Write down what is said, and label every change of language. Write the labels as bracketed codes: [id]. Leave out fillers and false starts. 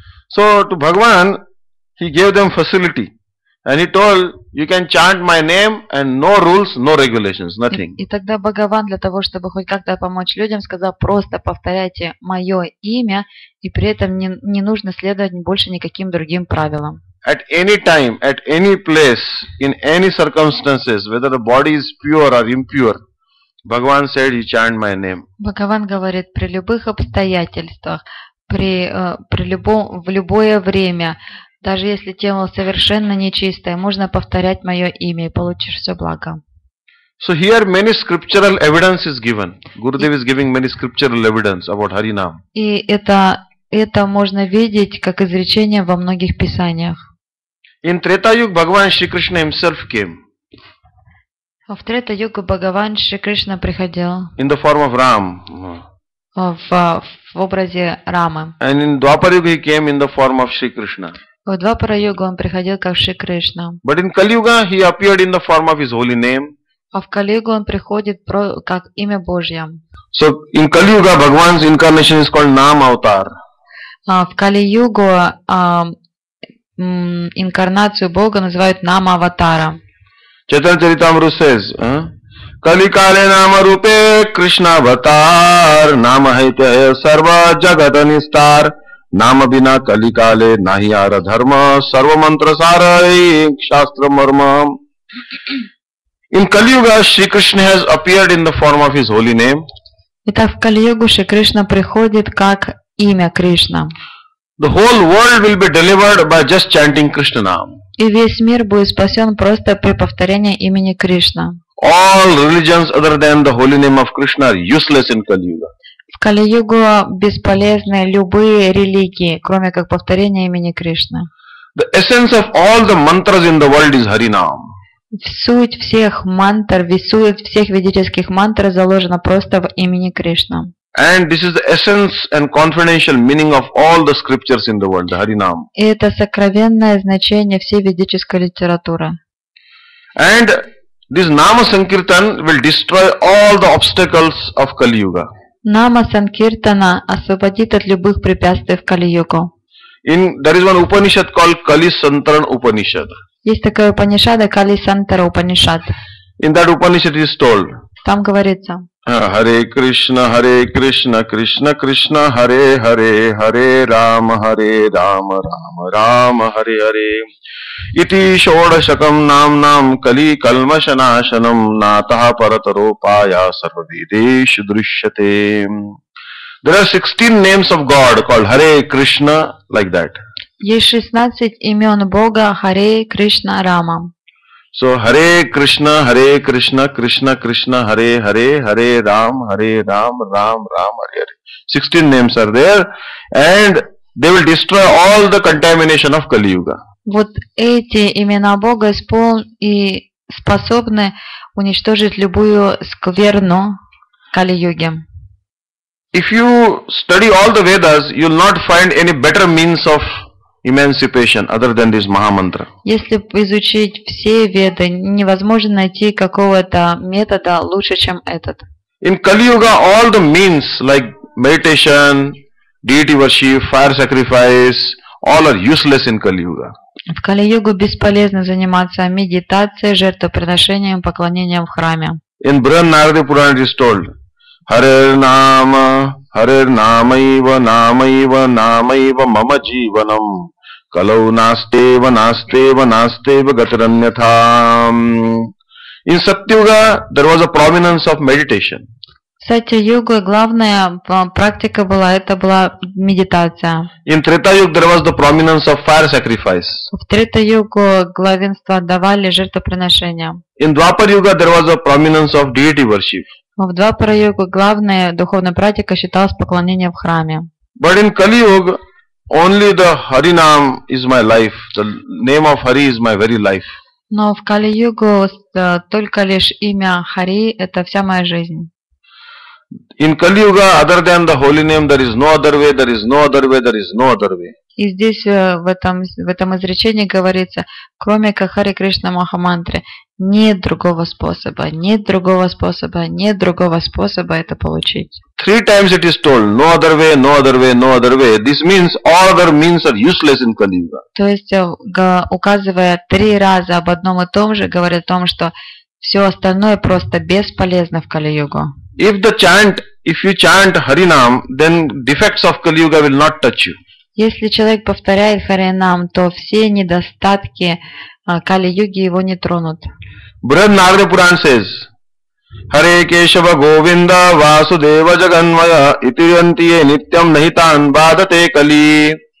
[en] So to Bhagavan, he gave them facility, and he told, "You can chant my name, and no rules, no regulations, nothing." [ru] И тогда Бхагаван для того, чтобы хоть как-то помочь людям, сказал: просто повторяйте мое имя, и при этом не нужно следовать больше никаким другим правилам. [en] At any time, at any place, in any circumstances, whether the body is pure or impure, Bhagavan said, "You chant my name." [ru] Бхагаван говорит, при любых обстоятельствах, в любое время, даже если тело совершенно нечистое, можно повторять мое имя и получишь все благо. [en] So here many scriptural evidence is given. Gurudev is giving many scriptural evidence about Harinam. [ru] И это можно видеть как изречение во многих писаниях. [en] In Treta Yuga, Bhagavan Shri Krishna himself came. [ru] В Трета Югу Бхагаван Шри Кришна приходил. [en] In the form of Ram. [ru] В образе Рамы. [en] And in Dwapar Yuga he came in the form of Shri Krishna. [ru] В Двапара Югу он приходил как Шри Кришна. [en] But in Kali Yuga he appeared in the form of his holy name. [ru] А в Кали Югу он приходит как имя Божье. [en] So in Kali Yuga Bhagavan's incarnation is called Nam Avatar. [ru] В Кали-югу инкарнацию Бога называют Нама-аватара. [sa] Чайтанья-чаритамру says, Кали-кале-нама-рупе-кришна-аватар, Нама-хайте-сарва-джагата-нистар, Нама-бина-кали-кале-нахи-ара-дхарма, Сарва-мантра-сара-и-кшастра-марма. [en] In Kali-юга, Шри Кришна has appeared in the form of His holy name. [ru] Итак, в Кали-югу Шри Кришна приходит как имя Кришна. [en] The whole world will be delivered by just chanting Krishna Nam. [ru] И весь мир будет спасен просто при повторении имени Кришна. [en] All religions other than the holy name of Krishna are useless in Kali-yuga. [ru] В Кали-югу бесполезны любые религии, кроме как повторения имени Кришны. [en] The essence of all the mantras in the world is Hari Nam. [ru] Суть всех мантр, суть всех ведических мантр заложена просто в имени Кришна. [en] And this is the essence and confidential meaning of all the scriptures in the world, the Hari Nam. [ru] И это сокровенное значение всей ведической литературы. [en] And this Nama Sankirtan will destroy all the obstacles of Kali Yuga. [ru] Нама Санкиртана освободит от любых препятствий в Кали Югу. [en] In there is one Upanishad called Kali Santaran Upanishad. [ru] Есть такая Упанишада, Кали Сантара Упанишад. [en] In that Upanishad is told. [ru] Там говорится. [sa] Харе Кришна, Кришна Кришна, Харе Харе, Харе Рама, Рама Рама, Харе Харе. Ити Шодашакам Намнам Кали Калмашанашанам Натаха Паратаро Пая Сарвавидешу Дришьяте. [en] There are 16 names of God called Харе Кришна, like that. [ru] Есть 16 имен Бога Харе Кришна Рама. [en] So Hare Krishna, Krishna Krishna, Hare Hare, Hare Ram, Hare Ram, Ram Ram, Hare Hare. 16 names are there, and they will destroy all the contamination of Kali Yuga. [ru] Вот эти имена Бога исполнены и способны уничтожить любую скверну Кали Юги. [en] If you study all the Vedas, you'll not find any better means of emancipation other than this Mahamantra. [ru] Если изучить все веды, невозможно найти какого-то метода лучше, чем этот. [en] In Kali Yuga, all the means like meditation, deity worship, fire sacrifice, all are useless in Kali Yuga. [ru] В Kali Yuga бесполезно заниматься медитацией, жертвоприношением, поклонением в храме. [en] In Brihad Narada Purana it is told, [sa] Harir Nama Iva Nama Iva Nama Iva Mama Jivanam. Kalau nasteva, nasteva, nasteva, gataranyatham. [en] In Satyuga, there was a prominence of meditation. [ru] Satyuga, главная практика была, это была медитация. [en] In Treta-yuga, there was the prominence of fire sacrifice. [ru] В Treta-yuga главенство отдавали жертвоприношения. [en] In Dwapara-yuga, there was a prominence of deity worship. [ru] В Dwapara-yuga главная духовная практика считалась поклонение в храме. [en] But in Kali-yuga, only the Hari Nam is my life. The name of Hari is my very life. [ru] Но в Кали-югу только лишь имя Хари – это вся моя жизнь. [en] In Kali Yuga, other than the holy name, there is no other way. There is no other way. There is no other way. [ru] И здесь в этом изречении говорится, кроме как Хари Кришна Махамантры, нет другого способа, нет другого способа, нет другого способа это получить. [en] Three times it is told, no other way, no other way, no other way. This means all other means are useless in Kali Yuga. [ru] То есть, указывая три раза об одном и том же, говорит о том, что все остальное просто бесполезно в Кали Югу. [en] If you chant Harinam, then defects of Kali Yuga will not touch you. [ru] Если человек повторяет Харинам, то все недостатки Кали-юги его не тронут. [sa] Брихад Нарада Пурана says, Харе Кешава Говинда Васудева Джаганмая Итирантие Нитьям Нахитан Бадате Кали.